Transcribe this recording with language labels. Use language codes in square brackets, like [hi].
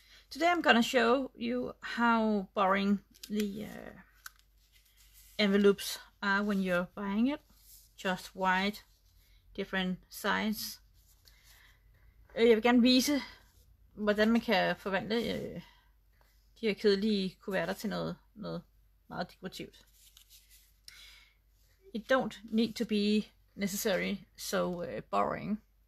[en] Today I'm gonna show you how boring the envelopes are when you're buying it. Just white, different size. [da] Jeg vil gerne vise, hvordan man kan forvandle de her kedelige kuverter til noget meget dekorativt. [en] It don't need to be necessary so boring.